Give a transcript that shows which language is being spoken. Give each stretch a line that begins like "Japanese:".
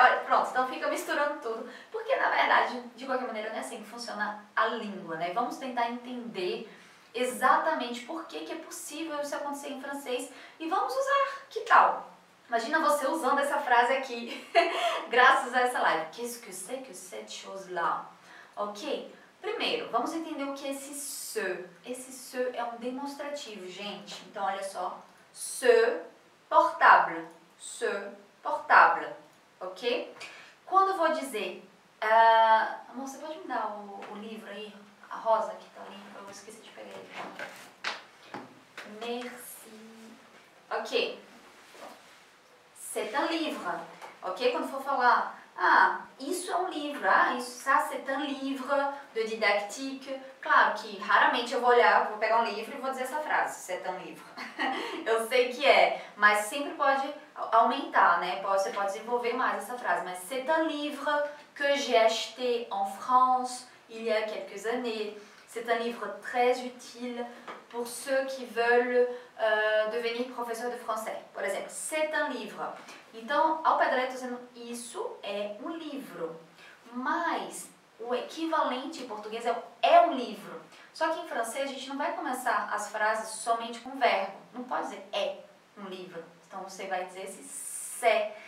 Portuguese: Olha, pronto, então fica misturando tudo. Porque, na verdade, de qualquer maneira, não é assim que funciona a língua, né? Vamos tentar entender exatamente por que, que é possível isso acontecer em francês. E vamos usar. Que tal? Imagina você usando essa frase aqui. Graças a essa live.
French: Qu'est-ce que c'est que cette chose là?
Portuguese: Ok? Primeiro, vamos entender o que é esse se. Esse se é um demonstrativo, gente. Então, olha só. Se, portable. Se, portable. Ok? Quando eu vou dizer... amor, você pode me dar o livro aí? A rosa que tá ali? Eu esqueci de pegar ele. Merci. Ok.
French: C'est un livre.
Portuguese: Ok? Quando for falar... Ah, isso é um livro, ah, isso,
French: ça c'est un livre de didactique.
Portuguese: Claro que raramente eu vou olhar, vou pegar um livro e vou dizer essa frase,
French: c'est un livre.
Portuguese: Eu sei que é, mas sempre pode aumentar, né? Você pode desenvolver mais essa frase,
French: mas c'est un livre que j'ai acheté en France. il y a quelques années. C'est un livre très utile pour ceux qui veulent devenir professeurs de français.
Portuguese: Por exemplo,
French: c'est un livre.
Portuguese: Então, ao pé da letra, dizendo isso é um livro. Mas o equivalente em português é um livro. Só que em francês a gente não vai começar as frases somente com verbo. Não pode dizer é um livro. Então você vai dizer esse c'est.